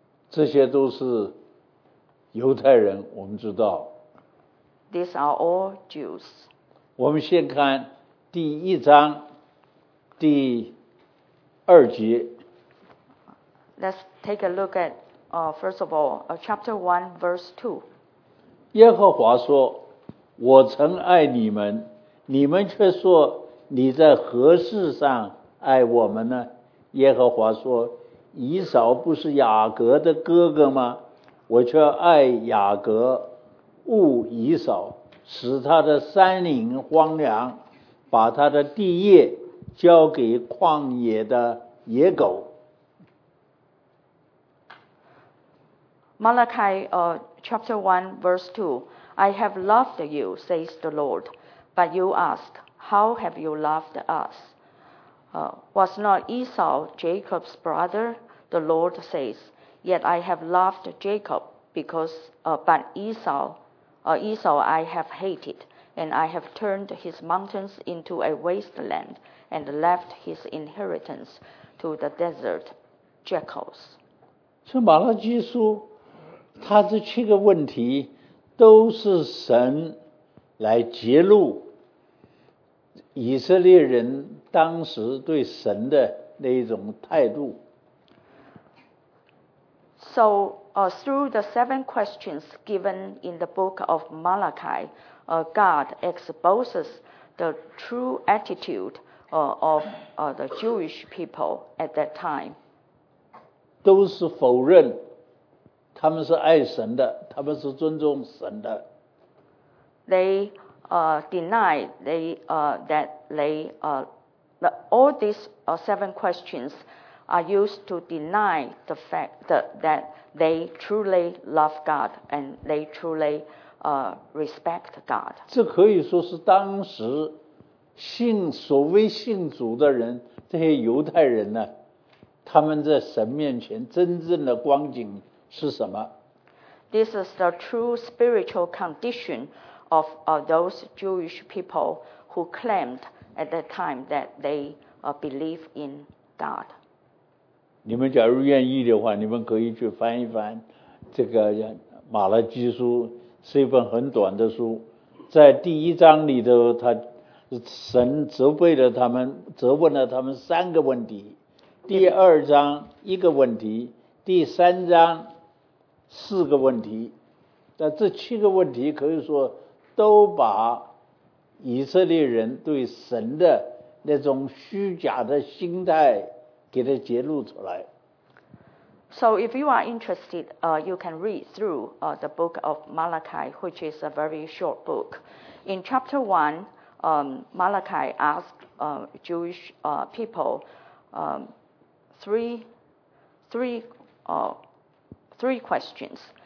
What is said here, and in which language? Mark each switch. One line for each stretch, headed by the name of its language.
Chinese: 这些都是犹太人，我们知道。
English: These are all Jews.
Chinese: 我们先看第一章第二节。
English: Let's take a look at, first of all, chapter 1, verse 2.
Chinese: 耶和华说，我曾爱你们，你们却说你在何事上爱我们呢？耶和华说，以扫不是雅各的哥哥吗？我却爱雅各，恶以扫，使他的山林荒凉，把他的地业交给旷野的野狗。
English: Malachi, chapter 1, verse 2, I have loved you, says the Lord, but you ask, how have you loved us? Was not Esau Jacob's brother? The Lord says, yet I have loved Jacob, because, but Esau, Esau I have hated, and I have turned his mountains into a wasteland, and left his inheritance to the desert jackals.
Chinese: So, Malachi 书他这七个问题都是神来揭露以色列人当时对神的那一种态度。
English: So, through the seven questions given in the book of Malachi, God exposes the true attitude, of, the Jewish people at that time.
Chinese: 都是否认他们是爱神的，他们是尊重神的。
English: They deny they that they all these seven questions are used to deny the fact that they truly love God and they truly respect God.
Chinese: 这可以说是当时信所谓信主的人，这些犹太人呢，他们在神面前真正的光景。是什么?
English: This is the true spiritual condition of those Jewish people who claimed at that time that they believe in God.
Chinese: 你们假如愿意的话，你们可以去翻一翻这个马拉基书，是一本很短的书，在第一章里头，他神责备了他们，责问了他们三个问题。第二章一个问题，第三章四个问题，那这七个问题可以说都把以色列人对神的那种虚假的心态给它揭露出来。
English: So if you are interested, you can read through the book of Malachi, which is a very short book. In chapter 1, Malachi asked Jewish people three questions.